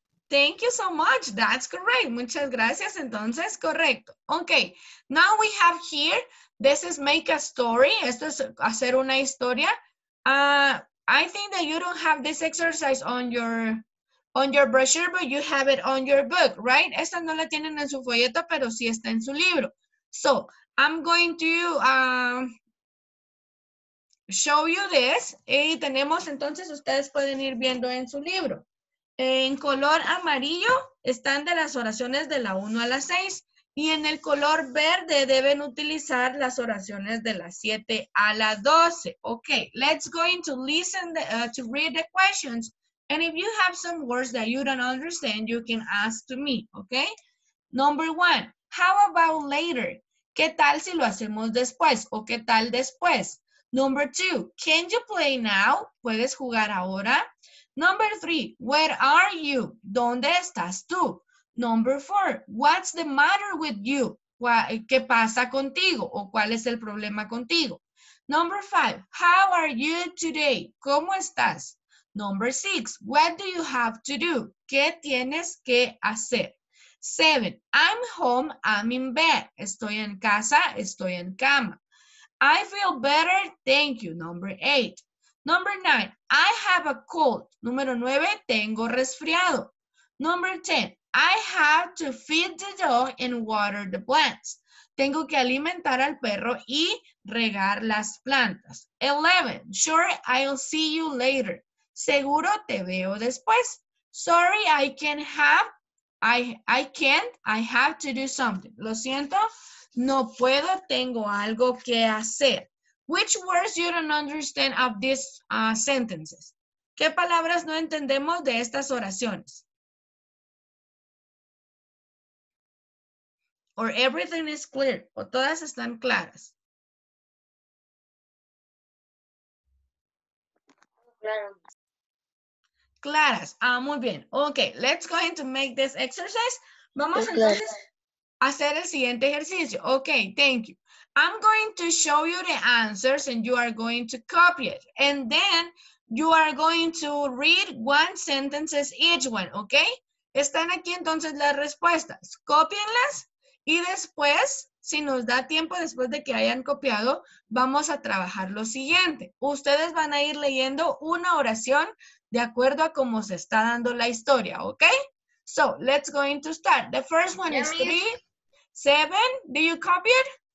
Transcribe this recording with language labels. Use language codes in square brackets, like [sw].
[en] Thank you so much. That's correct. [es] Muchas gracias. Entonces, correcto. [en] Okay, now we have here, this is make a story. [es] Esto es hacer una historia. [en] I think that you don't have this exercise on your... on your brochure, but you have it on your book, right? [es] Esta no la tienen en su folleto, pero sí está en su libro. [en] So, I'm going to show you this. [es] Y tenemos, entonces, ustedes pueden ir viendo en su libro. En color amarillo están de las oraciones de la 1 a la 6. Y en el color verde deben utilizar las oraciones de las 7 a la 12. [en] Okay, let's go into listen the, to read the questions. And if you have some words that you don't understand, you can ask to me, okay? Number one, how about later? [es] ¿Qué tal si lo hacemos después? ¿O qué tal después? [en] Number two, can you play now? [es] ¿Puedes jugar ahora? [en] Number three, where are you? [es] ¿Dónde estás tú? [en] Number four, what's the matter with you? [es] ¿Qué pasa contigo? ¿O cuál es el problema contigo? [en] Number five, how are you today? [es] ¿Cómo estás? [en] Number six, what do you have to do? [es] ¿Qué tienes que hacer? [en] Seven, I'm home, I'm in bed. [es] Estoy en casa, estoy en cama. [en] I feel better, thank you. Number eight. Number nine, I have a cold. [es] Número nueve, tengo resfriado. [en] Number ten, I have to feed the dog and water the plants. [es] Tengo que alimentar al perro y regar las plantas. [en] 11, sure, I'll see you later. [es] Seguro te veo después. [en] Sorry, I have to do something. [es] Lo siento, no puedo, tengo algo que hacer. [en] Which words you don't understand of these sentences? [es] ¿Qué palabras no entendemos de estas oraciones? [en] Or everything is clear, [es] o todas están claras. Claras. Ah, muy bien. [en] Ok, let's go into make this exercise. [es] Vamos entonces a hacer el siguiente ejercicio. [en] Ok, thank you. I'm going to show you the answers and you are going to copy it. And then you are going to read one sentence each one, ok? [es] Están aquí entonces las respuestas. Cópienlas y después, si nos da tiempo después de que hayan copiado, vamos a trabajar lo siguiente. Ustedes van a ir leyendo una oración de acuerdo a cómo se está dando la historia, ¿ok? [en] So, let's go into start. The first one is 3, 7, do you copy it?